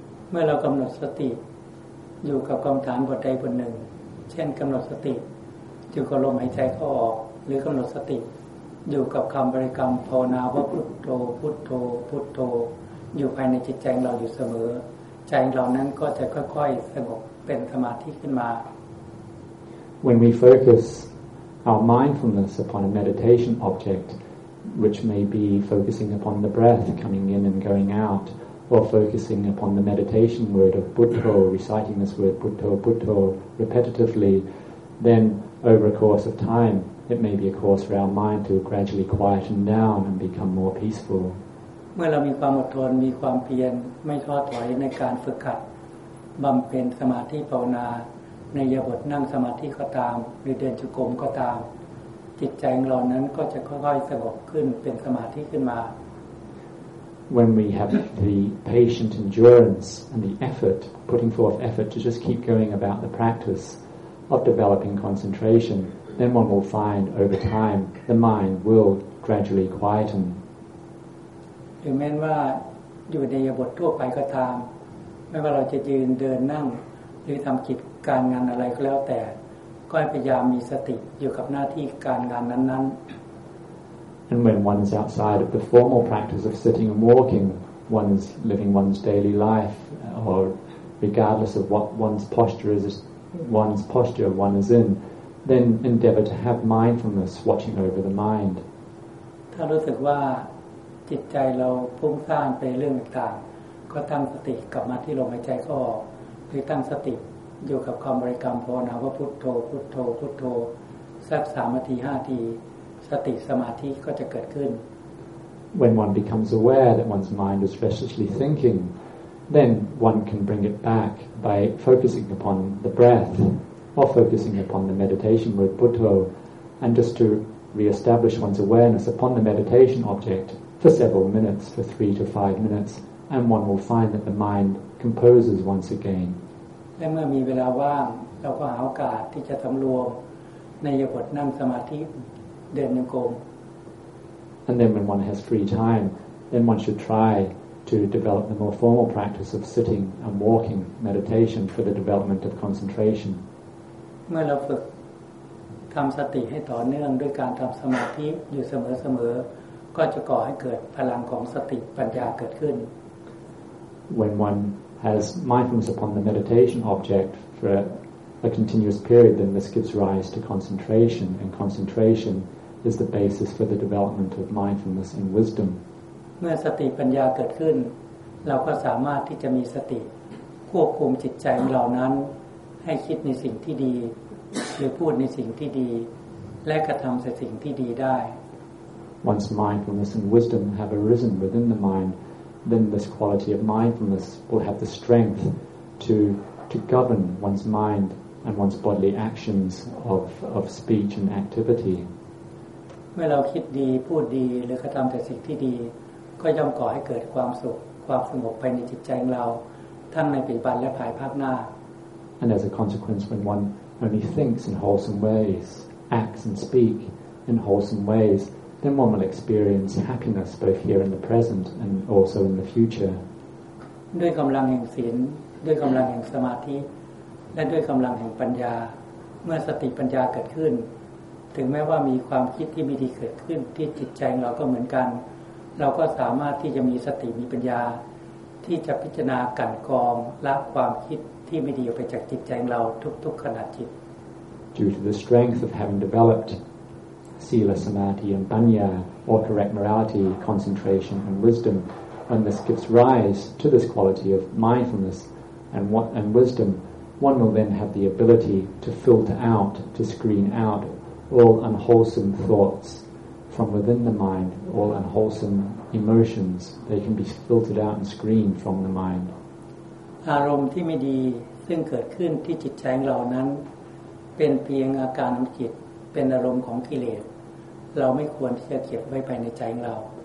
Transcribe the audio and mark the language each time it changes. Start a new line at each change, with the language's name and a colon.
Thai: เมื่อเรากำหนดสติอยู่กับกรรมฐานบทใดบทหนึ่งเช่นกำหนดสติอยู่กับลมหายใจเข้าออกหรือกำหนดสติอยู่กับคำบริกรรมภาวนาว่าพุทโธพุทโธพุทโธอยู่ภายในจิตใจเราอยู่เสมอใจเรานั้นก็จะค่อยๆสงบเป็นสมาธิขึ้นมา
English: When we focus our mindfulness upon a meditation object, which may be focusing upon the breath coming in and going out,or focusing upon the meditation word of Buddha, reciting this word Buddha, Buddha repetitively, then over a course of time, it may be a course for our mind to gradually quieten down and become more peaceful.
Thai: เมื่อเรามีความอดทนมีความเพียรไม่ท้อถอยในการฝึกขัดบำเพ็ญสมาธิภาวนาในยบทนั่งสมาธิก็ตามหรือเดินจงกรมก็ตามจิตใจของเรานั้นก็จะค่อยๆสงบขึ้นเป็นสมาธิขึ้นมา
English: When we have the patient endurance and the effort, putting forth effort to just keep going about the practice of developing concentration, then one will find over time the mind will gradually quieten.
Thai: ถึงแม้ว่าอยู่ในบททั่วไปก็ตามไม่ว่าเราจะยืนเดินนั่งหรือทำกิจการงานอะไรก็แล้วแต่ก็พยายามมีสติอยู่กับหน้าที่การงานนั้นๆ
English: And when one is outside of the formal practice of sitting and walking, one is living one's daily life, or regardless of what one's posture one is in, then endeavor to have mindfulness watching over the mind.
Thai: ถ้ารู้สึกว่าจิตใจเราพุ่งสร้างไปเรื่องต่างๆก็ตั้งสติกลับมาที่ลมหายใจก็หรือตั้งสติอยู่กับความบริกรรมภาวนาว่าพุทโธพุทโธพุทโธสัก3นาที5นาทีสติสมาธิก็จะเกิดขึ้น
English: When one becomes aware that one's mind is restlessly thinking, then one can bring it back by focusing upon the breath or focusing upon the meditation word Buddha, and just to re-establish one's awareness upon the meditation object for several minutes, for 3 to 5 minutes, and one will find that the mind composes once again.
Thai: และเมื่อมีเวลาว่างเราก็หาโอกาสที่จะสำรวมในยบทนั่งสมาธิ
English: And then when one has free time, then one should try to develop the more formal practice of sitting and walking meditation for the development of concentration.
Thai: เมื่อเราฝึกทำสติให้ต่อเนื่องด้วยการทำสมาธิอยู่เสมอๆก็จะก่อให้เกิดพลังของสติปัญญาเกิดขึ้น
English: When one has mindfulness upon the meditation object for a continuous period, then this gives rise to concentration, and concentration is the basis for the development of mindfulness and wisdom.
Thai: เมื่อสติปัญญาเกิดขึ้นเราก็สามารถที่จะมีสติควบคุมจิตใจของเรานั้นให้คิดในสิ่งที่ดีหรือพูดในสิ่งที่ดีและกระทำในสิ่งที่ดีได้
English: Once mindfulness and wisdom have arisen within the mind, then this quality of mindfulness will have the strength to govern one's mind and one's bodily actions of speech and activity.
Thai: เมื่อเราคิดดีพูดดีหรือกระทำแต่สิ่งที่ดีก็ย่อมก่อให้เกิดความสุขความสงบภายในจิตใจของเราทั้งในปัจจุบันและภายภาคหน้า
English: And as a consequence, when one only thinks in wholesome ways, acts and speak in wholesome ways, then one will experience happiness both here in the present and also in the future.
Thai: ด้วยกำลังแห่งศีลด้วยกำลังแห่งสมาธิและด้วยกำลังแห่งปัญญาเมื่อสติปัญญาเกิดขึ้นถึงแม้ว่ามีความคิดที่ไม่ดีเกิดขึ้นที่จิตใจเราก็เหมือนกันเราก็สามารถที่จะมีสติมีปัญญาที่จะพิจารณากันกองละความคิดที่ไม่ดีออกไปจากจิตใจเราทุกๆขณะจิต
English: Due to the strength of having developed sila samadhi and panya or correct morality concentration and wisdom when this gives rise to this quality of mindfulness and wisdom, one will then have the ability to filter out, to screen out all unwholesome thoughts from within the mind, all unwholesome emotions. They can be filtered out and screened from the mind.
Thai: อารมณ์ที่ไม่ดีซึ่งเกิดขึ้นที่จิตใจของเรานั้นเป็นเพียงอาการของจิตเป็นอารมณ์ของกิเลสเราไม่ควรที่จะเก็บไว้ไปในใจของเรา